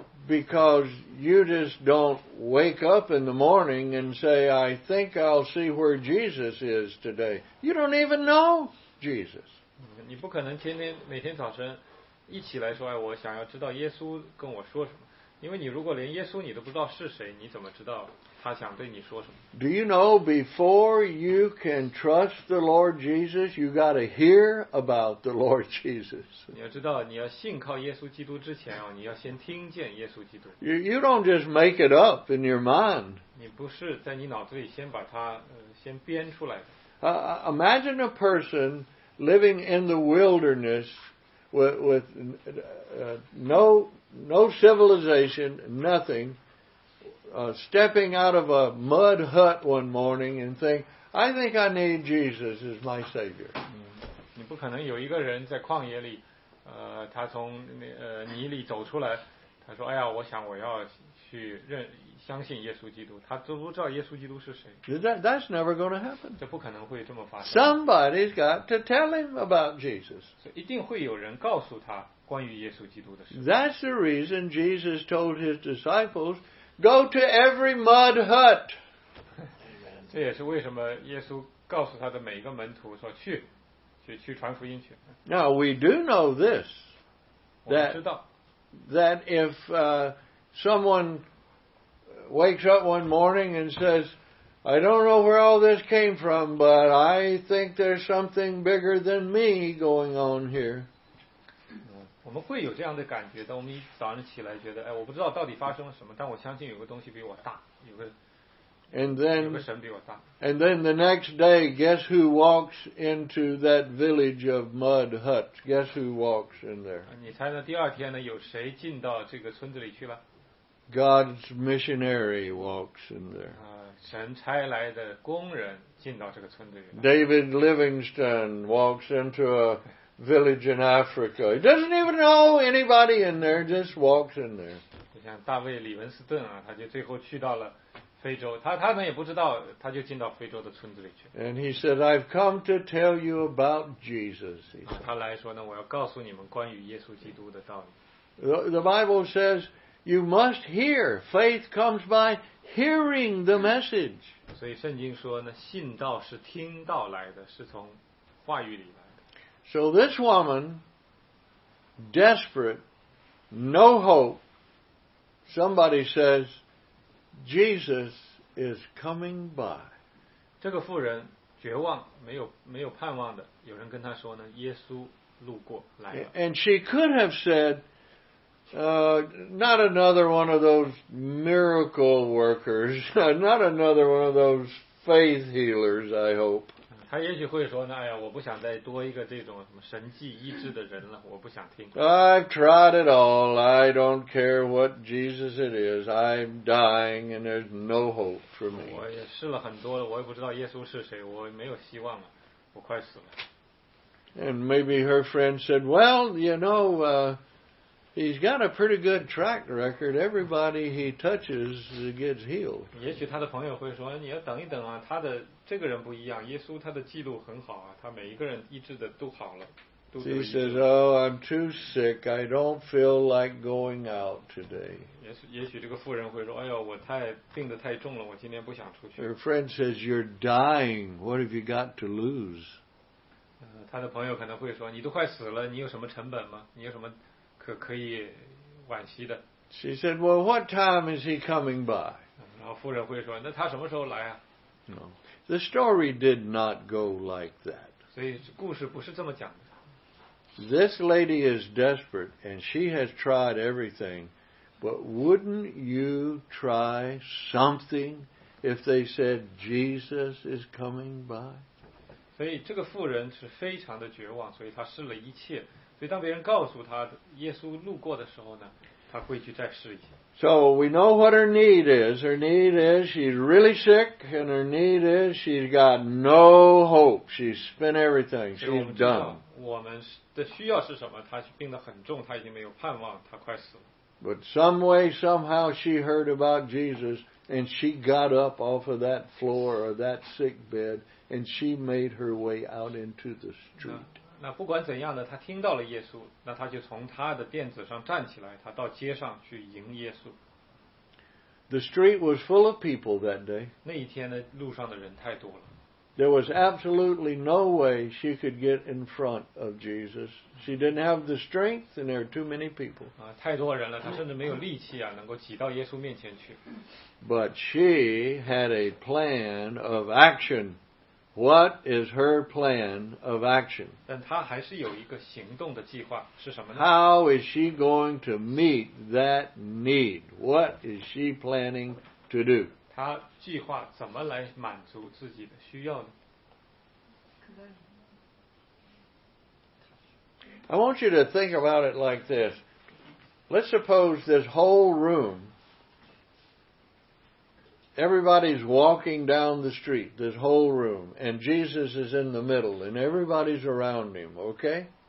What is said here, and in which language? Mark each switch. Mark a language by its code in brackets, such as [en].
[en] Because you just don't wake up in the morning and say, I think I'll see where Jesus is today. You don't even know Jesus. [zh] 你不可能天天每天早晨一起来说，哎，我想要知道耶稣跟我说什么。因为你如果连耶稣你都不知道是谁，你怎么知道他想对你说什么？ [en] Do you know before you can trust the Lord Jesus, you got to hear about the Lord Jesus? [zh] 你要知道，你要信靠耶稣基督之前哦，你要先听见耶稣基督。 [en] You don't just make it up in your mind. [zh] 你不是在你脑子里先把它先编出来的。 [en] Imagine a person living in the wilderness with no civilization, nothing, stepping out of a mud hut one morning and think, I think I need Jesus as my Savior. [zh] 你不可能有一个人在旷野里，他从泥里走出来，他说，哎呀，我想我要去相信耶稣基督，他都不知道耶稣基督是谁。 [en] That's never going to happen. [zh] 这不可能会这么发生。 [en] Somebody's got to tell him about Jesus. [zh] 所以一定会有人告诉他。关于耶稣基督的事。 [en] That's the reason Jesus told his disciples, go to every mud hut. [zh] 这也是为什么耶稣告诉他的每一个门徒说去，去传福音去。 [en] Now we do know this, that if someone wakes up one morning and says, I don't know where all this came from, but I think there's something bigger than me going on here. [zh] 我们会有这样的感觉，当我们一早上起来觉得，哎，我不知道到底发生了什么，但我相信有个东西比我大，有个神比我大。 [en] And then the next day, guess who walks into that village of mud huts? Guess who walks in there? [zh] 你猜呢？第二天呢，有谁进到这个村子里去了？ [en] God's missionary walks in there. [zh] 神差来的工人进到这个村子里。 [en] David Livingstone walks into a village in Africa. He doesn't even know anybody in there, just walks in there. [zh] 就像大卫李文斯顿啊，他就最后去到了非洲，他们也不知道，他就进到非洲的村子里去。 [en] And he said, I've come to tell you about Jesus. [zh] 他来说呢，我要告诉你们关于耶稣基督的道理。 [en] The Bible says, you must hear. Faith comes by hearing the message. [zh] 所以圣经说呢，信道是听道来的，是从话语里。 [en] So this woman, desperate, no hope, somebody says, Jesus is coming by. [zh] 这个妇人绝望，没有盼望的，有人跟她说呢，耶稣路过来了。 [en] And she could have said, not another one of those miracle workers, not another one of those faith healers, I hope. [zh] 他也许会说呢，哎呀，我不想再多一个这种什么神迹医治的人了，我不想听。 [en] I've tried it all. I don't care what Jesus it is. I'm dying and there's no hope for me. [zh] 我也试了很多了，我也不知道耶稣是谁，我没有希望了，我快死了。 [en] And maybe her friend said, well, you know, he's got a pretty good track record. Everybody he touches gets healed. [zh] 也许他的朋友会说，你要等一等啊，他的。这个人不一样，耶稣他的记录很好啊，他每一个人医治的都好了。 [en] He says, "Oh, I'm too sick. I don't feel like going out today." [zh] 也许这个妇人会说，哎呦，我太病得太重了，我今天不想出去。 [en] Her friend says, "You're dying. What have you got to lose?" [zh] 他的朋友可能会说，你都快死了，你有什么成本吗？你有什么可以惋惜的 [en] ？She said, "Well, what time is he coming by?" [zh] 然后妇人会说，那他什么时候来啊 [en] ？No. The story did not go like that. [zh] 所以故事不是这么讲的。 [en] This lady is desperate, and she has tried everything. But wouldn't you try something if they said Jesus is coming by? [zh] 所以这个妇人是非常的绝望，所以她试了一切。所以当别人告诉她耶稣路过的时候呢，她会去再试一下。 [en] So we know what her need is. Her need is she's really sick, and her need is she's got no hope. She's spent everything. She's done. [zh] 我们的需要是什么？她病得很重， 她已经没有盼望， 她快死了。 [en] But some way, somehow, she heard about Jesus, and she got up off of that floor or that sick bed, and she made her way out into the street. [zh] 那不管怎样的，她听到了耶稣， 那她就从她的垫子上站起来，她到街上去迎耶稣。 [en] The street was full of people that day. [zh] 那一天的路上的人太多了。 [en] There was absolutely no way she could get in front of Jesus. She didn't have the strength, and there were too many people. [zh] 太多人了，她甚至没有力气啊，能够挤到耶稣面前去。 [en] But she had a plan of action. What is her plan of action? [zh] 但她还是有一个行动的计划，是什么呢？ [en] How is she going to meet that need? What is she planning to do? [zh] 她计划怎么来满足自己的需要呢？ [en] I want you to think about it like this. Let's suppose this whole room, everybody's walking down the street, this whole room, and Jesus is in the middle, and everybody's around him, okay?